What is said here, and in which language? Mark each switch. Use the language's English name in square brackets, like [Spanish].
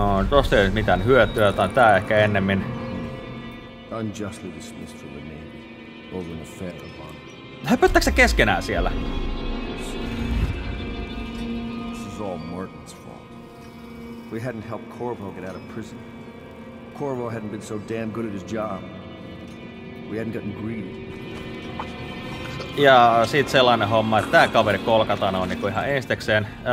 [Finnish] Tosta ei ole mitään hyötyä, tai tää ehkä ennemmin. [English] Unjustly dismissed from the Navy. Over the federal bond. [Finnish] Häpöttääks se keskenään siellä? [English] This is all Martin's fault. We hadn't helped Corvo get out of prison. Corvo hadn't been so damn good at his job. We hadn't gotten greedy. [Finnish] Ja sit sellainen homma, että tää kaveri kolkataan on niinku ihan ensitekseen.